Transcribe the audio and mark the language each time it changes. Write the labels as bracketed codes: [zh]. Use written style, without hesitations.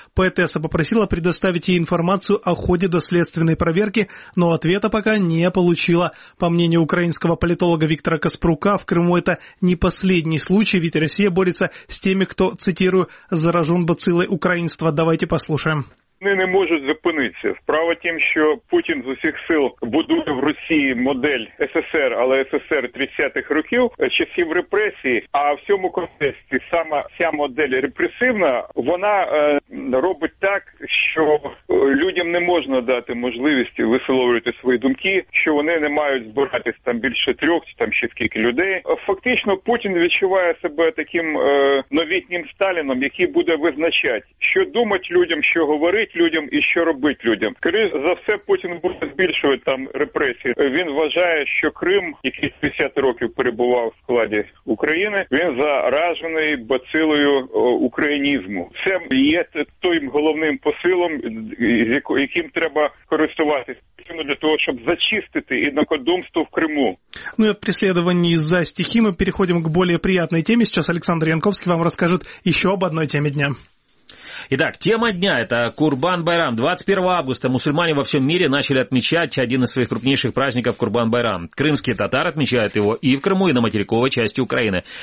[ru] Поэтесса попросила предоставить ей информацию о ходе доследственной проверки, но ответа пока не получила. По мнению украинского политолога Виктора Каспрука, в Крыму это не последний случай, ведь Россия борется с теми, кто, цитирую, заражен бациллой украинства. Давайте послушаем. [uk] Вони не можуть зупинитися. Справа тим, що Путін з усіх сил будує в Росії модель СССР, але СССР 30-х років, часів репресії, а в цьому контексті сама ця модель репресивна, вона робить так, що людям не можна дати можливості висловлювати свої думки, що вони не мають збиратись там більше трьох, чи там ще скільки людей. Фактично Путін відчуває себе таким новітнім Сталіном, який буде визначати, що думати людям, що говорити людям і що робить людям. Скоріше за все, Путін буде збільшувати там репресії. Він вважає, що Крим, який 50 років перебував в складі України, він заражений бацилою українізму. Це є тим головним посилом, яким треба користуватися для того, [ru] чтобы зачистить однокодумство в Крыму. Ну и от преследований за стихи мы переходим к более приятной теме. Сейчас Александр Янковский вам расскажет еще об одной теме дня. Итак, тема дня – это Курбан-Байрам. 21 августа мусульмане во всем мире начали отмечать один из своих крупнейших праздников – Курбан-Байрам. Крымские татары отмечают его и в Крыму, и на материковой части Украины.